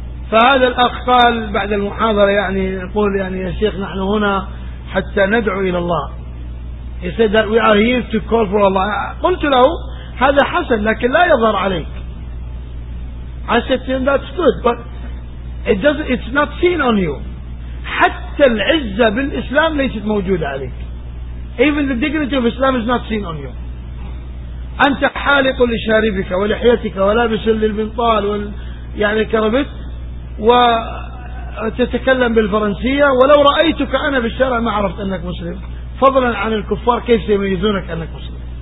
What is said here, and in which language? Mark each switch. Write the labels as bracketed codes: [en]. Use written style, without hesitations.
[ar] فهذا الأخ قال بعد المحاضرة يعني يقول يعني يا شيخ نحن هنا حتى ندعو إلى الله. [en] He said that we are here to call for Allah. [ar] قلت له هذا حسن لكن لا يظهر عليك. [en] I said to him that's good but it's not seen on you. [ar] حتى العزة بالإسلام ليست موجودة عليك. [en] Even the dignity of Islam is not seen on you. [ar] أنت حالق لشاربك ولحيتك ولابس للبنطال يعني الكرافت وتتكلم بالفرنسية، ولو رأيتك أنا بالشارع ما عرفت أنك مسلم، فضلا عن الكفار كيف يميزونك أنك مسلم؟